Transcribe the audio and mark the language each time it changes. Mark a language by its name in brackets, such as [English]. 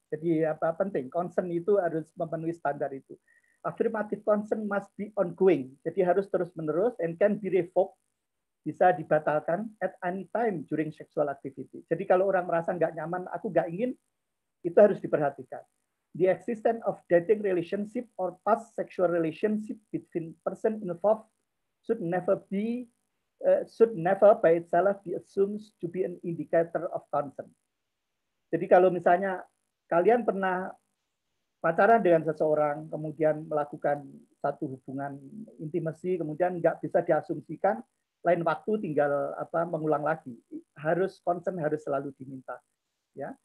[Indonesian] Jadi apa penting, concern itu harus memenuhi standar itu. [English] Affirmative concern must be ongoing. [Indonesian] Jadi harus terus-menerus [English] and can be revoked [Indonesian] bisa dibatalkan [English] at any time during sexual activity. [Indonesian] Jadi kalau orang merasa nggak nyaman, aku nggak ingin, itu harus diperhatikan. [English] The existence of dating relationship or past sexual relationship between person involved should never be should never by itself be assumed to be an indicator of consent. [Indonesian] Jadi kalau misalnya kalian pernah pacaran dengan seseorang, kemudian melakukan satu hubungan intimasi, kemudian nggak bisa diasumsikan lain waktu tinggal apa mengulang lagi, harus consent harus selalu diminta, ya.